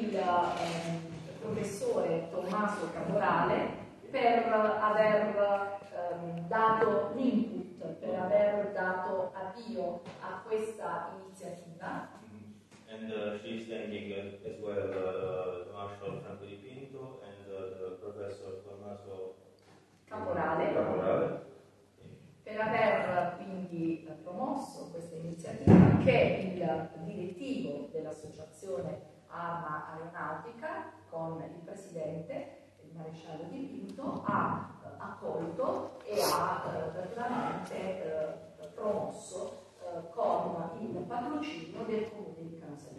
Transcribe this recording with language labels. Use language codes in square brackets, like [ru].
[it] E il professore Tommaso Caporale per aver dato l'input, per aver dato avvio a questa iniziativa. [en] And she is thanking as well the Marshal Franco Di Pinto and the professor Tommaso Caporale. Caporale. [it] Per aver quindi promosso questa iniziativa che il direttivo dell'associazione Arma Aeronautica con il presidente, il maresciallo Di Pinto, ha accolto e ha veramente promosso con il patrocinio del comune di Canosa.